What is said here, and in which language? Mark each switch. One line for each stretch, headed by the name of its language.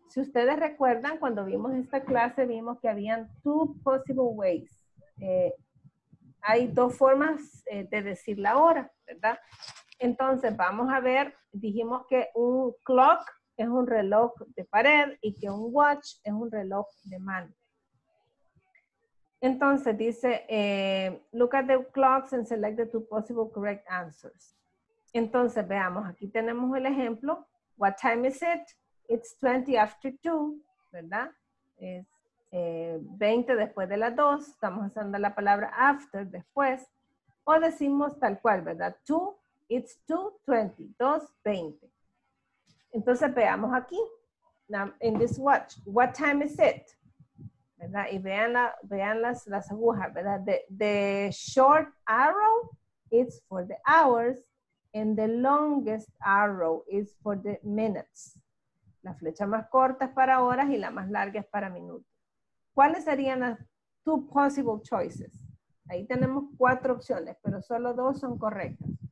Spanish: Si ustedes recuerdan, cuando vimos esta clase, vimos que habían
English: two possible ways.
Spanish: Hay dos formas de decir la hora, ¿verdad? Entonces, vamos a ver, dijimos que un clock es un reloj de pared y que un watch es un reloj de mano. Entonces, dice,
English: look at the clocks and select the two possible correct answers.
Spanish: Entonces, veamos, aquí tenemos el ejemplo.
English: What time is it? It's 20 after 2,
Spanish: ¿verdad? Es 20 después de las 2, estamos usando la palabra after, después, o decimos tal cual, ¿verdad?
English: 2, it's 2:20, 2:20.
Spanish: Entonces veamos aquí,
English: now, in this watch, what time is it?
Spanish: ¿Verdad? Y vean, vean las agujas, ¿verdad?
English: The short arrow is for the hours, and the longest arrow is for the minutes.
Spanish: La flecha más corta es para horas y la más larga es para minutos. ¿Cuáles serían las
English: two possible choices?
Spanish: Ahí tenemos cuatro opciones, pero solo dos son correctas.